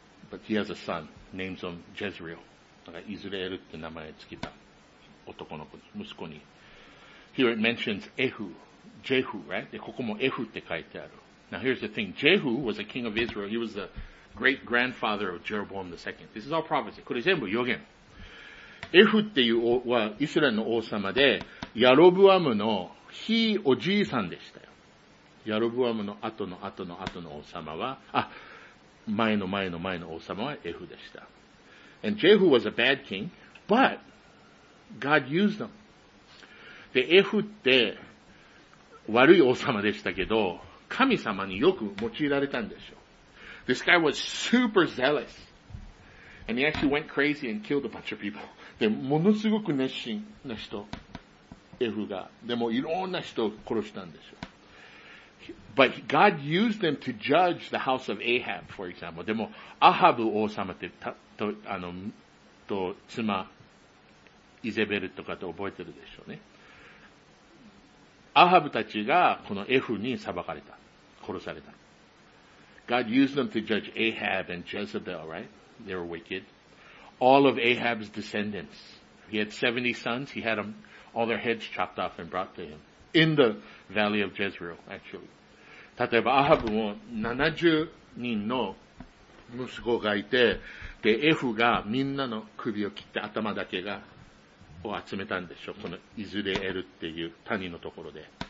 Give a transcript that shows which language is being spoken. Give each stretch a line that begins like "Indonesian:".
English: But he has a son, names him Jezreel.
Japanese: だからイズレエルって名前つけた男の子、息子に。
English: Here it mentions Ehu, Jehu, right?
Japanese: でここもエフって書いてある。
English: Now here's the thing: Jehu was a king of Israel. He was the great grandfather of Jeroboam the second. This is all prophecy.
Japanese: これ全部予言。エフっていうはイスラエルの王様で、ヤロブアムのひいおじいさんでしたよ。ヤロブアムの後の王様は、前の王様はエフでした。
English: And Jehu was a bad king, but God used him.
Japanese: で、エフって悪い王様でしたけど、神様によく用いられたんでしょう。
English: This guy was super zealous. And he actually went crazy and killed a bunch of people.
Japanese: で、ものすごく熱心な人、エフが。でも、いろんな人を殺したんでしょう。
English: But God used them to judge the house of Ahab, for example.
Japanese: でも、アハブ王様って、と妻、イゼベルとかと覚えてるでしょうね。アハブたちがこのエフに裁かれた。殺された。
English: God used them to judge Ahab and Jezebel, right? They were wicked. All of Ahab's descendants. He had 70 sons. He had them, all their heads chopped off and brought to him. In the valley of Jezreel, actually.
Japanese: 例えばアハブも70人の息子がいて、で、エフがみんなの首を切って頭だけが、を集めたんでしょ。このイズレエルっていう谷のところで。